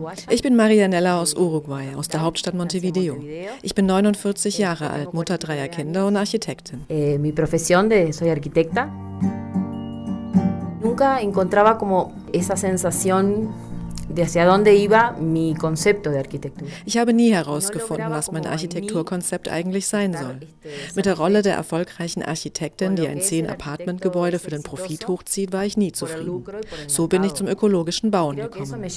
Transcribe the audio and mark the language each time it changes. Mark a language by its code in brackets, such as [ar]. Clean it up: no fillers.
[de] Ich bin Marianella aus Uruguay, aus der Hauptstadt Montevideo. Ich bin 49 Jahre alt, Mutter 3er Kinder und Architektin. Meine Profession ist Architektin. [es] Nunca encontraba como esa sensación. [de] Ich habe nie herausgefunden, was mein Architekturkonzept eigentlich sein soll. Mit der Rolle der erfolgreichen Architektin, die ein 10-Apartment-Gebäude für den Profit hochzieht, war ich nie zufrieden. So bin ich zum ökologischen Bauen gekommen.